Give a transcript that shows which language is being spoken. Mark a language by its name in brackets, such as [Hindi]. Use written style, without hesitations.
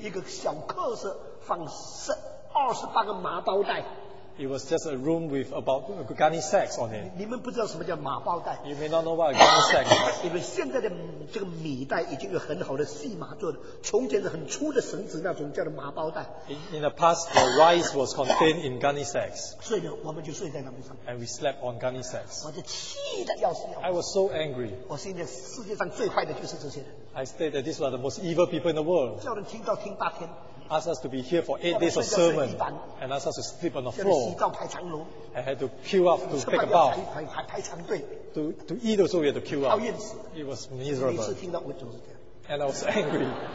[Chinese] 一个小客室放28个麻包袋。 [English] It was just a room with about gunny sacks on it. [Chinese] 你们不知道什么叫麻包袋? [English] You may not know what a gunny sack is. [Chinese] 因为现在的这个米袋已经有很好的细麻做的，从前是很粗的绳子那种叫做麻包袋。 [English] In the past, the rice was contained in gunny sacks. [Chinese] 所以呢，我们就睡在那边上。 [English] And we slept on gunny sacks. [Chinese] 我就气得要死要活。 [English] I was so angry. [Chinese] 我心里世界上最坏的就是这些人。 [English] I said that these were the most evil people in the world. [Chinese] 叫人听到听八天。 [English] Ask us to be here for 8 days of sermon and ask us to sleep on the floor and had to queue up to take a bath. To eat also we had to queue up. It was miserable. And I was angry.